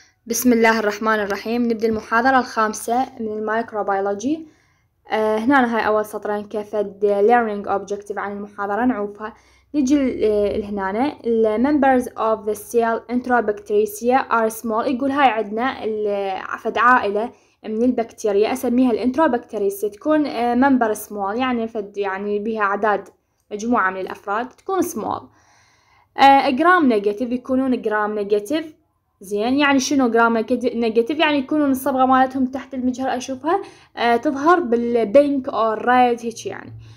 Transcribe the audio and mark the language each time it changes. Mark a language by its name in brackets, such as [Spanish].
[Arabic] بسم الله الرحمن الرحيم، نبدأ المحاضرة الخامسة من الميكروبيولوجي. هنا هاي أول سطرين كفد learning objective عن المحاضرة نعوفها. نجي لهنا [English] the members of the cell enterobacteria are small. [Arabic] يقول هاي عندنا فد عائلة من البكتيريا أسميها الانتروبكتيريسي، تكون member small يعني فد يعني بها عدد مجموعة من الأفراد تكون small. جرام نيجاتيف يكونون جرام نيجاتيف، زين يعني شنو جرام نيجاتيف؟ يعني يكونون الصبغة مالتهم تحت المجهر أشوفها تظهر بالبينك أو الرايد هيك يعني.